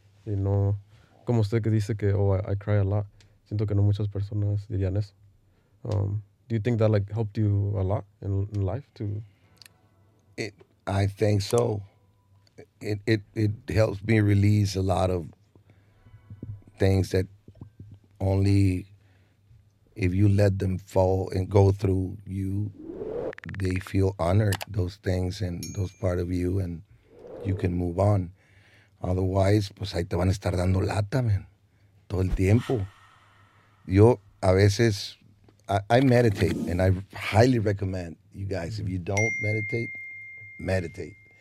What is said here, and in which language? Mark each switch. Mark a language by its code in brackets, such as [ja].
[es] Y no, como usted que dice que, [en] oh, I cry a lot, [es] siento que no muchas personas dirían eso. [en] Do you think that like helped you a lot in life too? I think so. It helps me release a lot of things that only if you let them fall and go through you, they feel honored, those things and those part of you, and you can move on. [es] Otherwise, pues ahí te van a estar dando lata, man, todo el tiempo. Yo a veces, [en] I meditate, and I highly recommend you guys, if you don't meditate, meditate.